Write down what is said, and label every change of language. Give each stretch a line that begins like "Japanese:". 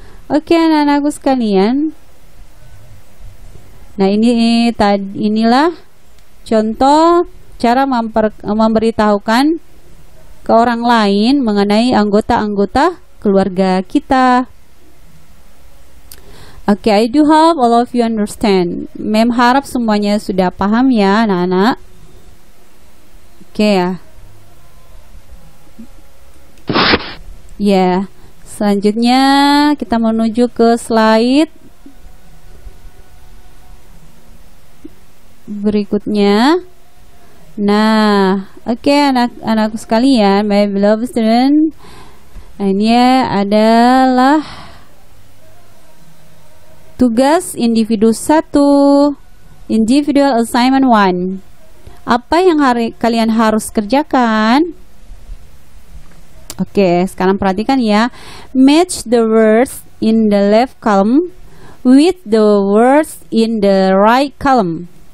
Indonesian: Oke, anak-anakku sekalian. Nah, inilah contoh cara memberitahukan ke orang lain mengenai anggota-anggota keluarga kita.
English: Oke, okay, I do hope all of you understand.
Indonesian: Mem harap semuanya sudah paham ya, anak-anak. Oke, okay, ya.
English: Yeah.
Indonesian: Selanjutnya kita menuju ke slide berikutnya. Nah, oke, okay, anak-anakku sekalian,
English: my beloved student.
Indonesian: Ini adalah tugas individu 1,
English: individual assignment 1.
Indonesian: Apa yang kalian harus kerjakan? Oke, sekarang perhatikan ya.
English: Match the words in the left column with the words in the right column.